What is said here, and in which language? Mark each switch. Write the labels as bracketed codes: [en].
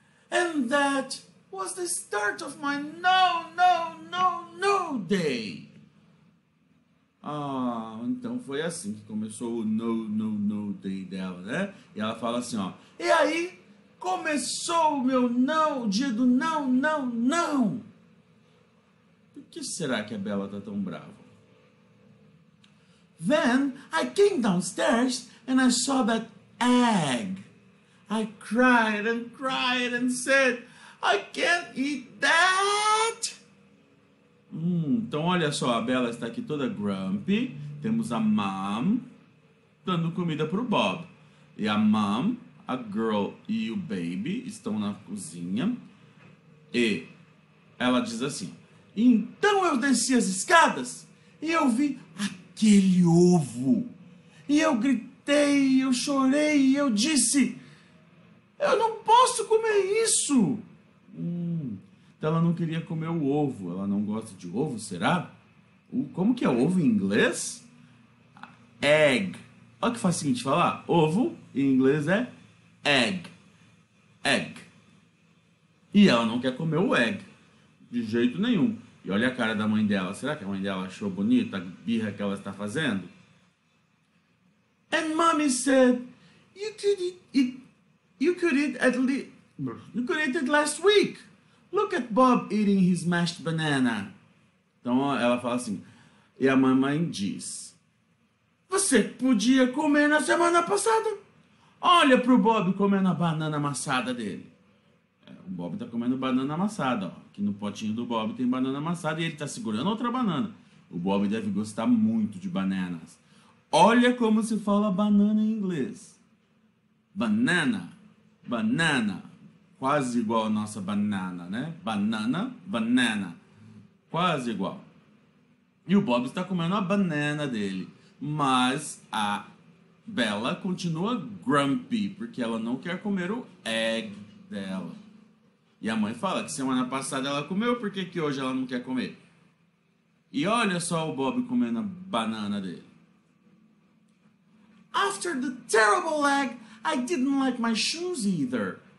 [en] And that was the start of my no, no, no, no day! [pt] Ah, então foi assim que começou o [en] no, no, no day [pt] dela, né? E ela fala assim, ó, e aí começou o meu não, o dia do não, não, não! Por que será que a Bella tá tão brava? [en] Then, I came downstairs and I saw that egg. I cried and cried and said, I can't eat that. [pt] Então, olha só, a Bella está aqui toda grumpy. Temos a mom dando comida para o Bob. E a mom, a girl e o baby estão na cozinha. E ela diz assim, então eu desci as escadas e eu vi aquele ovo. E eu gritei, eu chorei, e eu disse, eu não posso comer isso. Então ela não queria comer o ovo. Ela não gosta de ovo, será? Como que é ovo em inglês? Egg. Olha que fácil de falar. Ovo em inglês é egg. Egg. E ela não quer comer o egg. De jeito nenhum. E olha a cara da mãe dela. Será que a mãe dela achou bonita a birra que ela está fazendo? [en] And mommy said, you could eat it last week. Look at Bob eating his mashed banana. [pt] Então ela fala assim, e a mamãe diz: você podia comer na semana passada. Olha pro Bob comendo a banana amassada dele. O Bob tá comendo banana amassada, ó. Aqui no potinho do Bob tem banana amassada e ele tá segurando outra banana. O Bob deve gostar muito de bananas. Olha como se fala banana em inglês. Banana, banana. Quase igual a nossa banana, né? Banana, banana. Quase igual. E o Bob está comendo a banana dele. Mas a Bella continua grumpy, porque ela não quer comer o egg dela. E a mãe fala que semana passada ela comeu, por que que hoje ela não quer comer? E olha só o Bob comendo a banana dele. [en] After the terrible egg, I didn't like my shoes either.